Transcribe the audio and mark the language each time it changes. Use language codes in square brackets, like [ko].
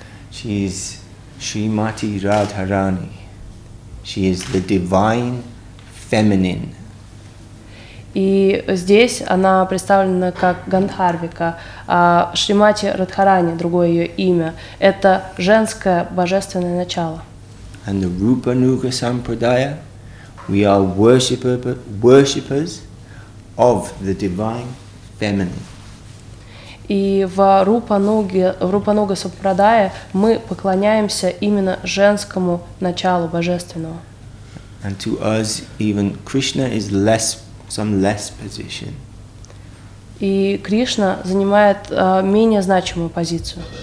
[en] She is Srimati Radharani. She is the divine feminine. [ru] И здесь она представлена как Гандхарвика, а Шримати Радхарани, другое ее имя, это женское божественное начало. [en] and the Rupa Nuga Sampradaya, we are worshippers of the Divine Feminine. [ru] И в Рупа-Нуга Сампрадая мы поклоняемся именно женскому началу божественного. [en] And to us, even Krishna is less, some less position. [ru] И Кришна занимает менее значимую позицию.